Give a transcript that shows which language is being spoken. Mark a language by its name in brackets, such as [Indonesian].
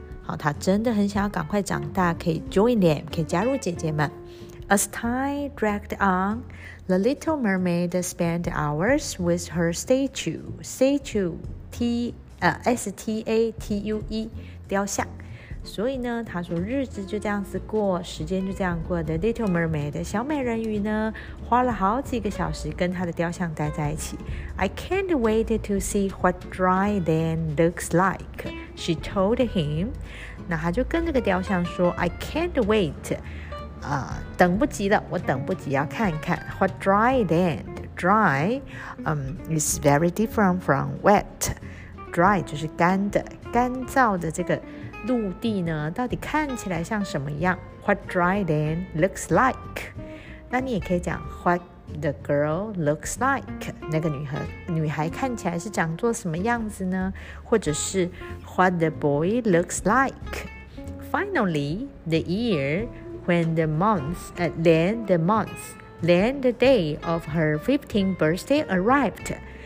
[Chinese] 好，她真的很想要赶快长大，可以 [English] join them, [Chinese] 可以加入姐姐们。 [English] As time dragged on, the Little Mermaid spent hours with her statue, 雕像。 [Chinese] 所以呢，他说日子就这样子过，时间就这样过。 The Little Mermaid, 小美人鱼呢，花了好几个小时跟她的雕像待在一起。 [English] I can't wait to see what dry land looks like, she told him. [Chinese] 那他就跟这个雕像说 ， [English] I can't wait, [Chinese] 等不及了，我等不及要看看 [English] what dry land. Dry, is very different from wet. [Chinese] Dry 就是干的，干燥的这个陆地呢，到底看起来像什么样 ？ [English] What dry land looks like？ [Chinese] 那你也可以讲 [English] What the girl looks like？ [Chinese] 那个女孩看起来是长做什么样子呢？或者是 [English] What the boy looks like？Finally, the year when the month, then the month, then the day of her 15th birthday arrived.